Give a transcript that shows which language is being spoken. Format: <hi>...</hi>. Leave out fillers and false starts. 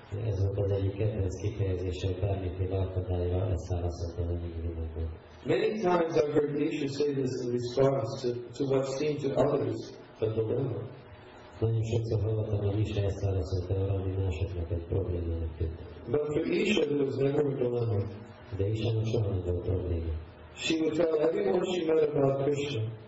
<hu>Ez volt az egyik kedvenc kifejezése, hogy bármi akadályra leszállhatod a legjobban.</hu> <en>Many times I've heard Isha say this in response to what seemed to others a dilemma.</en> <hu>Nagyon sokszor hallottam, hogy Isha ezt válaszolta arra, ami másoknak egy problémának tűnt.</hu> <en>But for Isha there was never a dilemma.</en> <hu>De Isha nem soha nem volt probléma.</hu> <en>She would tell everyone she met about Krishna.</en>